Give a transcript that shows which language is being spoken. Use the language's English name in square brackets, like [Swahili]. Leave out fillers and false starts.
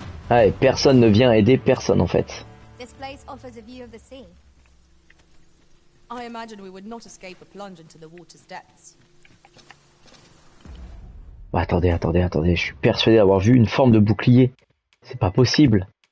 [French] Ouais, personne ne vient aider personne en fait. [English] This place offers a view of the sea. I imagine we would not escape a plunge into the water's depths. [French] Bah, attendez, je suis persuadé d'avoir vu une forme de bouclier. C'est pas possible.